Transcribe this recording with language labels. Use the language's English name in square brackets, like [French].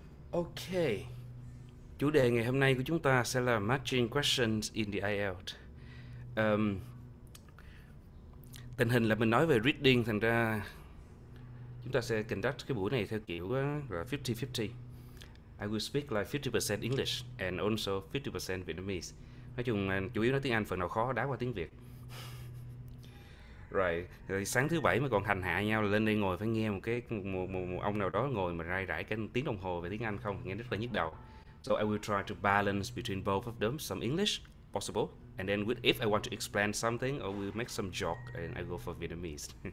[Vietnamese] Ok, chủ đề ngày hôm nay của chúng ta sẽ là [English] matching questions in the IELTS. [Vietnamese] Tình hình là mình nói về reading, thành ra chúng ta sẽ conduct cái buổi này theo kiểu là 50-50. [English] I will speak like 50% English and also 50% Vietnamese. [Vietnamese] Nói chung là chủ yếu nói tiếng Anh, phần nào khó đá qua tiếng Việt. Rồi, thì sáng thứ bảy mà còn hành hạ nhau lên đây ngồi phải nghe một cái một ông nào đó ngồi mà rai rải cái tiếng đồng hồ về tiếng Anh không, nghe rất là nhức đầu. [English] So I will try to balance between both of them, some English possible, and then with if I want to explain something or we make some joke and I go for Vietnamese.